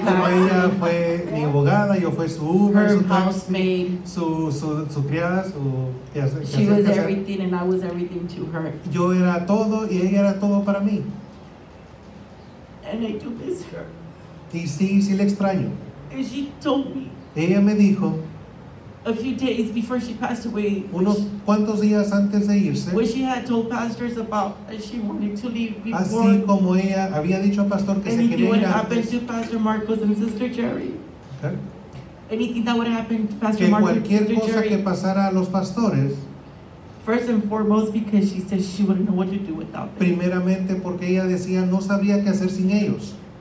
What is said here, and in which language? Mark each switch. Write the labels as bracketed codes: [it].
[es] como ella fue mi abogada, yo fui su Uber, su [en] housemaid, [es] su criada, su. [en] She was everything, and I was everything to her. [es] Yo era todo, y ella era todo para mí. [en] And I do miss her. [es] Y sí le extraño. [en] And she told me. [es] Ella me dijo. [en] A few days before she passed away. [es] Unos cuantos días antes de irse. [en] When she had told pastors about that she wanted to leave before. [es] Así como ella había dicho al pastor que se quería ir antes. [en] Anything that would happen to Pastor Marcos and Sister Jerry. Okay. Anything that would happen to Pastor Marcos and Sister Jerry. [es] Que cualquier cosa que pasara a los pastores. [en] First and foremost, because she said she wouldn't know what to do without them. [es] Primeramente porque ella decía no sabría qué hacer sin ellos.